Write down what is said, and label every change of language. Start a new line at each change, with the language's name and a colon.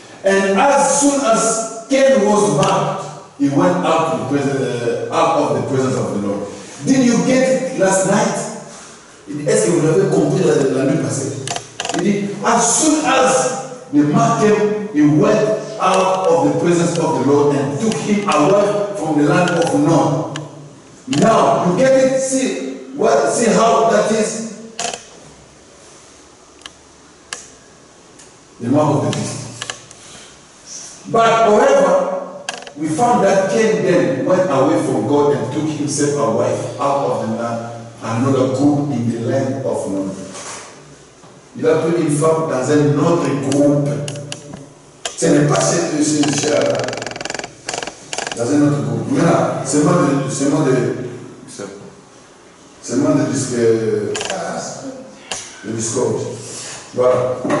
English: And as soon as Cain was marked, he went out, to the presence, out of the presence of the Lord. Did you get it last night?
French: Est-ce que vous avez compris la nuit passée? Il dit,
English: as soon as the mark came, he went out of the presence of the Lord and took him away from the land of Nod. Now, you get it? See how that is? The mark of the beast. But however, we found that Cain then went away from God and took himself a wife out of the land, another group in the land of Nod.
French: Il a pris une femme dans un autre groupe. Ce n'est pas cette chose, cher. Dans un autre groupe. Voilà, c'est moi de. C'est moi de disque. De discours. Voilà.